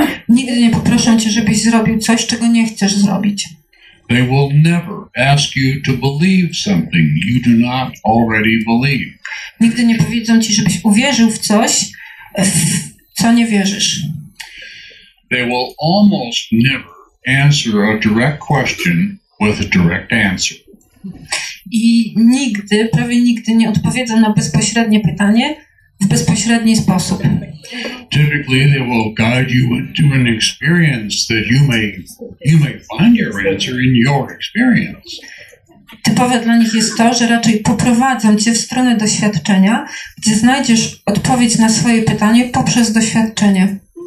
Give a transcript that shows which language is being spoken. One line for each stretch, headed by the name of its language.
Polish: Nigdy nie poproszę cię, żebyś zrobił coś, czego nie chcesz zrobić.
English: They will never ask you to believe something you do not already believe.
Polish: Nigdy nie powiedzą ci, żebyś uwierzył w coś, w co nie wierzysz.
English: They will almost never answer a direct question with a direct answer.
Polish: I nigdy, prawie nigdy nie odpowiedzą na bezpośrednie pytanie w bezpośredni sposób.
English: Typically they will guide you into an experience that you may find your answer in your experience.
Polish: Typowe dla nich jest to, że raczej poprowadzą cię w stronę doświadczenia, gdzie znajdziesz odpowiedź na swoje pytanie poprzez doświadczenie.